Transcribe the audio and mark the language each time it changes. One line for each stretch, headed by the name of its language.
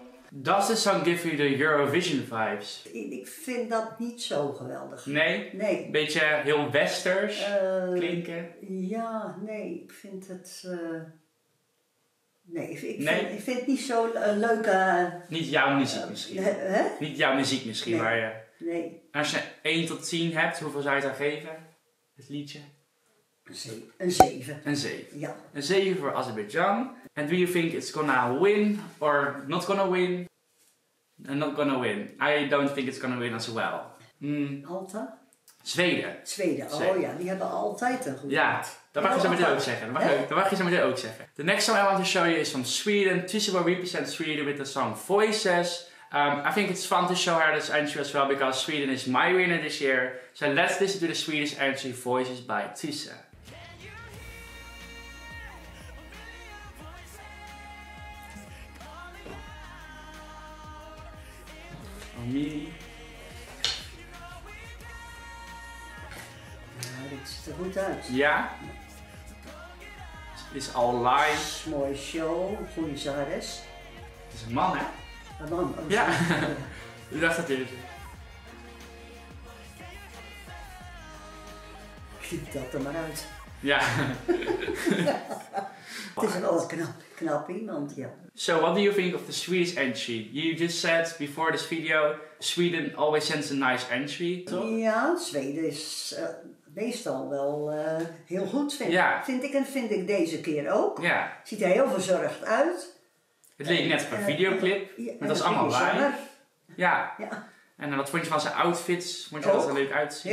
English: Does this song give you the Eurovision vibes?
Dutch: Ik vind dat niet zo geweldig. Nee? Nee. Beetje heel westers klinken? Ja, nee. Ik vind het... Ik vind het niet zo'n leuke... Niet jouw muziek misschien. Hè? Niet jouw muziek misschien, nee. Maar je... Nee. Als je 1 tot 10 hebt, hoeveel zou je het dan geven? Het liedje? Een 7. Ja. Een 7 voor Azerbaijan.
English: And do you think it's gonna win or not gonna win? And not gonna win. I don't think it's gonna win as well.
Dutch: Alta? Zweden. Oh ja, die hebben altijd een goed. Ja, dat mag je zo meteen ook zeggen. Dat mag je zo ook zeggen.
English: The next song I want to show you is from Sweden. Tisibo represents Sweden with the song Voices. I think it's fun to show her this entry as well because Sweden is my winner this year. So let's listen to the Swedish entry Voices by Tisa.
Dutch: Ja, dit ziet er goed uit.
English: Ja? Is all live.
Dutch: Mooie show, goede zangeres. Het is een man, hè? Een man. Oh, ja, u dacht dat dit. Kiep dat er maar uit. Ja. Het is een knap iemand, ja.
English: So, what do you think of the Swedish entry? You just said before this video, Sweden always sends a nice entry.
Dutch: Ja, Zweden is meestal wel heel goed, vind ik deze keer ook. Ja. Ziet er heel verzorgd uit. Het leek net op een videoclip, maar dat is allemaal waar. Ja. En wat vond je van zijn outfits? Vond je dat er leuk uitzien?